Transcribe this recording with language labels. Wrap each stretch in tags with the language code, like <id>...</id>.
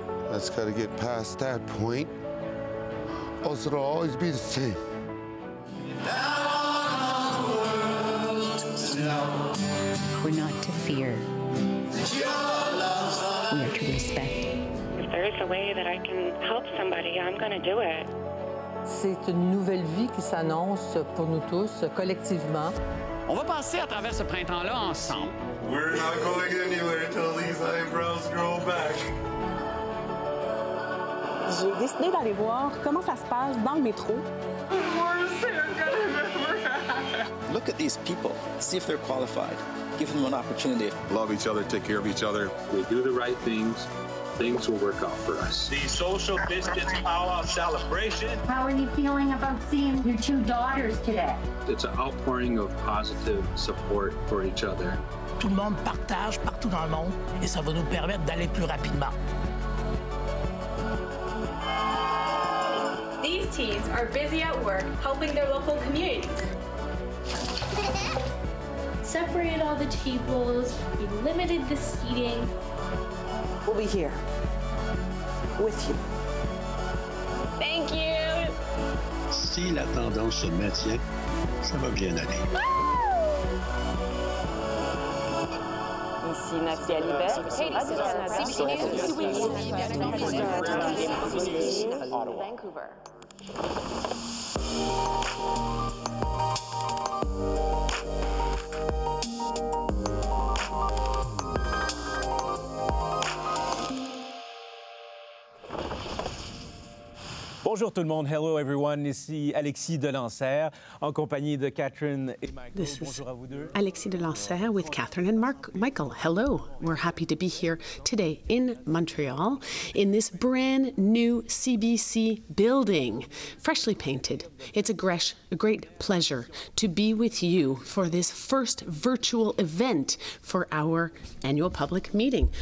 <en>That's got to get past that point, or it'll always be the same. Now on the world to know. We're not to fear. We are to respect. If there is a way that I can help somebody, I'm going to do it.</en> <fr>C'est une nouvelle vie qui s'annonce pour nous tous, collectivement. On va passer à travers ce printemps-là ensemble.</fr> <en>We're not going anywhere till these eyebrows grow back.</en> <fr>J'ai décidé d'aller voir comment ça se passe dans le métro.</fr> <en>Look at these people. See if they're qualified. Give them an opportunity. Love each other, take care of each other. We do the right things. Things will work out for us. The social distance power celebration. How are you feeling about seeing your two daughters today? It's an outpouring of positive support for each other.</en> <fr>Tout le monde partage partout dans le monde et ça va nous permettre d'aller plus rapidement.</fr> <en>These teens are busy at work helping their local communities. Separated all the tables, we limited the seating. We'll be here with you. Thank you.</en> <fr>Si la tendance se maintient, ça va bien aller.</fr> <en>Vancouver.</en> <fr>Bonjour tout le monde.</fr> <en>Hello everyone.</en> <fr>Ici Alexis de Lancerre en compagnie de Catherine et Michael.</fr> <en>This is Alexis de Lancerre with Catherine and Mark. Michael, hello. We're happy to be here today in Montreal in this brand new CBC building, freshly painted. It's a great pleasure to be with you for this first virtual event for our annual public meeting.</en>